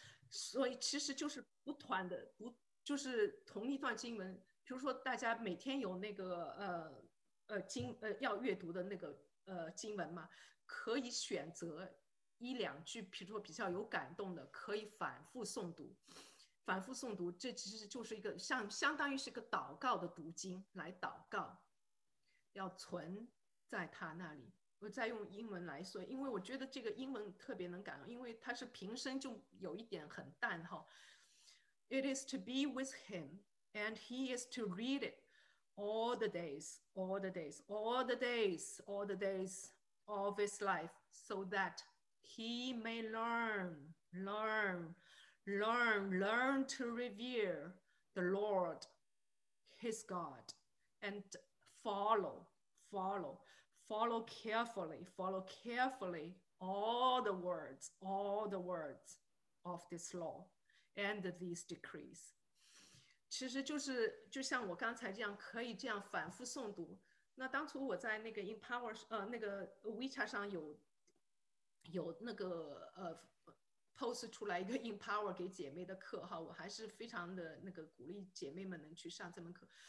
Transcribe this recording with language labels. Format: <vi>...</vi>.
<zh>所以其实就是不断的不就是同一段经文，比如说大家每天有那个要阅读的那个经文嘛，可以选择一两句比如说比较有感动的，可以反复诵读，这其实就是一个相当于是一个祷告的读经，来祷告，要存在他那里。我再用英文来说，因为我觉得这个英文特别能感动，因为它是平生就有一点很淡哈。</zh> <en>It is to be with him, and he is to read it all the days of his life, so that he may learn to revere the Lord, his God, and follow carefully all the words of this law and these decrees.</en> <zh>其实就是就像我刚才这样可以这样反复诵读。那当初我在那个 Empower 那个 WeChat 上有那个post 出来一个 Empower 给姐妹的课哈，我还是非常的那个鼓励姐妹们能去上这门课。</zh>